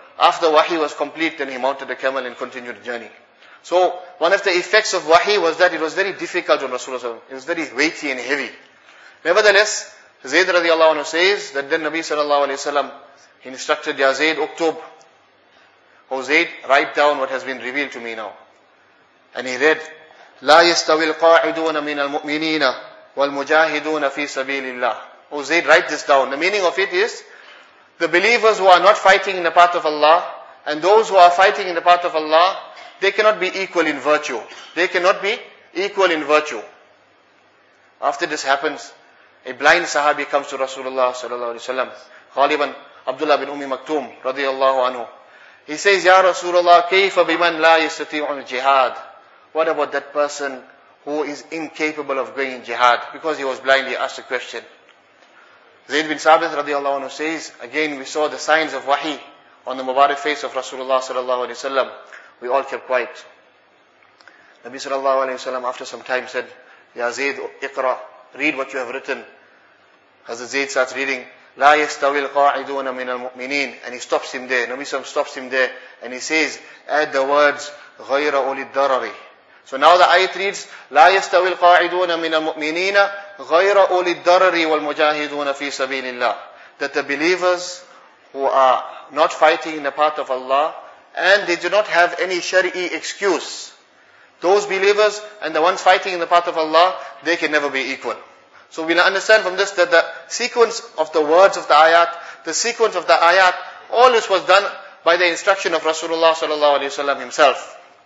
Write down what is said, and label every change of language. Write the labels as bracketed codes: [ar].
[en] After wahi was complete, then he mounted the camel and continued the journey. So, one of the effects of wahi was that it was very difficult on Rasulullah sallallahu alayhi wa sallam. It was very weighty and heavy. Nevertheless, Zayd radiallahu anhu says that then Nabi sallallahu alayhi wa sallam, he instructed, [ar] Ya Zayd, uktub. [en] O Zayd, write down what has been revealed to me now. And he read, [ar] لا يستوي القاعدون من المؤمنين والمجاهدون في سبيل الله. [en] O Zayd, write this down. The meaning of it is, the believers who are not fighting in the path of Allah, and those who are fighting in the path of Allah, they cannot be equal in virtue. They cannot be equal in virtue. After this happens, a blind sahabi comes to Rasulullah sallallahu alayhi wa sallam, Ghaliban Abdullah bin Ummi Maktoum, radiallahu anhu. He says, [ar] Ya Rasulullah, كيف بمن لا يستطيع الجهاد? [en] What about that person who is incapable of going in jihad? Because he was blind, he asked a question. Zayd bin Sabit radiallahu anhu says, again we saw the signs of wahi on the Mubarak face of Rasulullah sallallahu alayhi wa sallam. We all kept quiet. Nabi sallallahu alayhi wa sallam after some time said, [ar] Ya Zayd, iqra, [en] read what you have written. Hazrat Zayd starts reading, [ar] لا يستوي القاعدون من المؤمنين, [en] and he stops him there. Nabi sallam stops him there and he says, add the words, [ar] غير أولي الضرر. [en] So now the ayat reads, [ar] لا يستوي القاعدون من المؤمنين غير أولي الضرر والمجاهدون في سبيل الله. [en] That the believers who are not fighting in the path of Allah and they do not have any shari'i excuse, those believers and the ones fighting in the path of Allah, they can never be equal. So we understand from this that the sequence of the words of the ayat, the sequence of the ayat, all this was done by the instruction of Rasulullah sallallahu alayhi wa sallam himself.